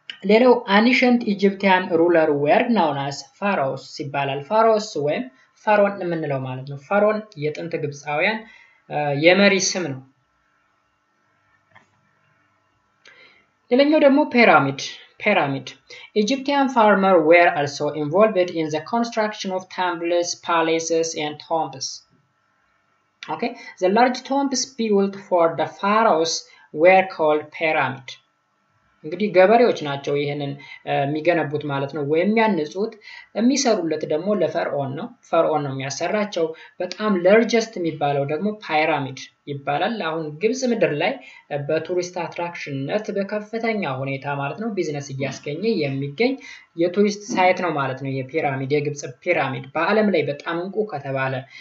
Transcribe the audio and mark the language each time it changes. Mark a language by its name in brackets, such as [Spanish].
[English] ሌላው ancient Egyptian ruler were known as pharaohs [Amharic] ሲባላል። pharaohs ወይም ፈርዖን እንምንለው ማለት ነው። ፈርዖን የጥንት ግብጻውያን የመሪ ስም ነው። ሌላኛው ደግሞ ፒራሚድ [English] Egyptian farmer were also involved in the construction of temples, palaces and tombs. Okay? The large tombs built for the pharaohs were called pyramid. [Amharic] እንግዲህ ገበሬዎች ናቸው ይሄንን የሚገነቡት ማለት ነው ወይም ያነጹት። የሚሰሩለት ደግሞ ለፈርዖን ነው። ፈርዖን ነው የሚያሰራቸው። በጣም ላርጀስት የሚባለው ደግሞ ፒራሚድ ይባላል። አሁን ግብጽ ምድር ላይ በቱሪስት አትራክሽንነት በከፍተኛ ሁኔታ ማለት ነው ቢዝነስ እያስገኘ የሚገኝ የቱሪስት ሳይት ነው ማለት ነው። የፒራሚድ የግብጽ ፒራሚድ በዓለም ላይ በጣም እንቁ ከተባለ